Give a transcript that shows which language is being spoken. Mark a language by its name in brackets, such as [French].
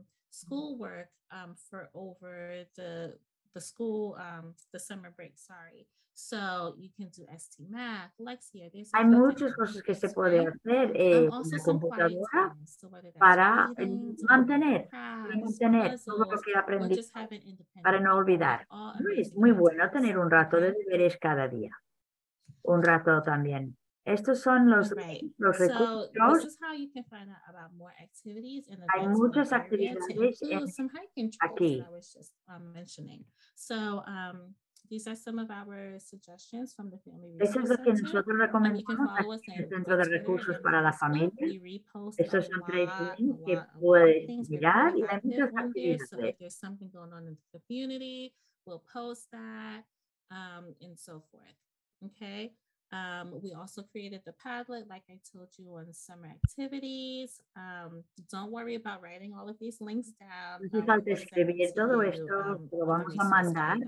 [English] Schoolwork for over the school, the summer break, sorry. So you can do ST math, Lexia. [Spanish] Hay muchas cosas que se puede hacer en la computadora para mantener todo lo que aprendí para no olvidar. Es muy bueno tener un rato de deberes cada día. Un rato también Estos son los, los recursos. [English] So, this is how you can find out about more activities and [Spanish] hay muchas actividades en [English] some hiking trails [Spanish] aquí. [English] That I was just mentioning. So, these are some of our suggestions from the Family Resource Center. [Spanish] Eso es lo que nosotros recomendamos en el Centro de Recursos para la Familia. Estos son tres links que puedes mirar y hay muchas actividades. [English] So if there's something going on in the community, we'll post that and so forth. Okay. We also created the Padlet, like I told you, on summer activities. Don't worry about writing all of these links down. [Spanish] No hace falta escribir todo esto, lo vamos a mandar.